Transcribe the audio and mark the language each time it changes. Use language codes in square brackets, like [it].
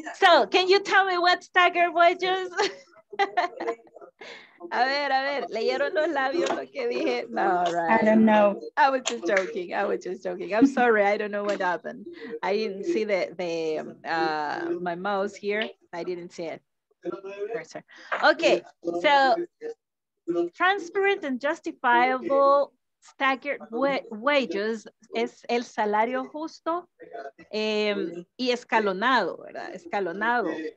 [en] So, can you tell me what staggered wages? [es] A ver, ¿leyeron los labios lo que dije? [en] No, right. I don't know. I was just joking. I was just joking. I'm sorry. I don't know what happened. I didn't see my mouse here. I didn't see it. Okay, so transparent and justifiable staggered wages [es] es el salario justo y escalonado, ¿verdad? Escalonado.